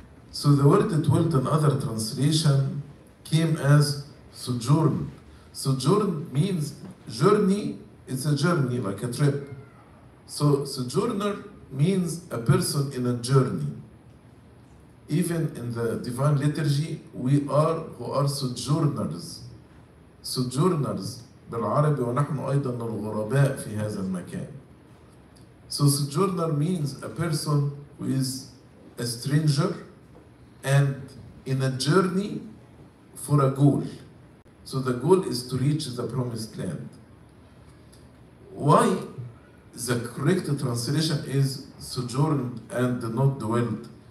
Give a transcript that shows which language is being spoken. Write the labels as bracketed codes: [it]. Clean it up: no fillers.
[en] So the word dwelt in other translation came as sojourn. Sojourn means journey, it's a journey like a trip. So sojourner means a person in a journey. Even in the Divine Liturgy, we are who are sojourners. [ar] Sojourners بالعربي ونحن أيضا الغرباء في هذا المكان. [en] So sojourner means a person who is a stranger and in a journey for a goal. So the goal is to reach the promised land. Why the correct translation is sojourned and not dwelt?